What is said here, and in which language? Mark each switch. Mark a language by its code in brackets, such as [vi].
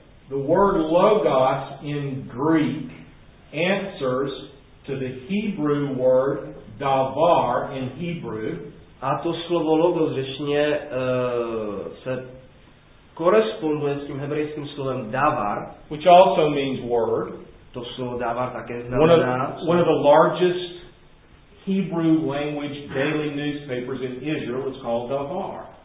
[en] The word logos in Greek answers to the Hebrew word davar in Hebrew. [cs] A to slovo logos řečně se koresponduje s tím hebrejským slovem davar, [en] which also means word. [cs] To slovo davar také znamená. [en] One of the largest Hebrew language daily newspapers in Israel is called Davar.